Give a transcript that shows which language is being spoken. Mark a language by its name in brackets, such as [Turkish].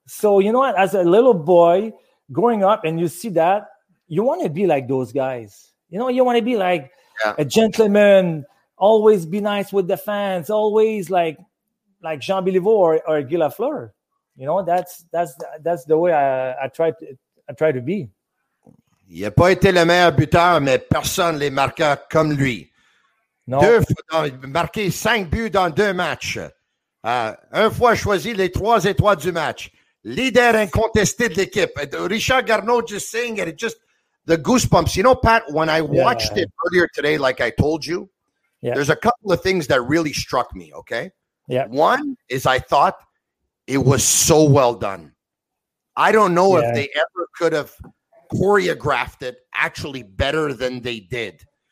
[English] So you know what, as a little boy growing up and you see that. You want to be like those guys. You know, you want to be like a gentleman, always be nice with the fans, always like Jean Béliveau or Guy Lafleur. You know, that's the way I try to be. [French] Il n'a pas été le meilleur buteur, mais personne ne les marqua comme lui. [English] No. [French] Marqué 5 buts dans 2 matchs. Un fois choisi les 3 étoiles du match. Leader incontesté de l'équipe. [English] Richard Garneau just saying it, just the goosebumps, you know, Pat, when I watched it earlier today, like I told you, there's a couple of things that really struck me, okay? Yeah. One is I thought it was so well done. I don't know if they ever could have choreographed it actually better than they did.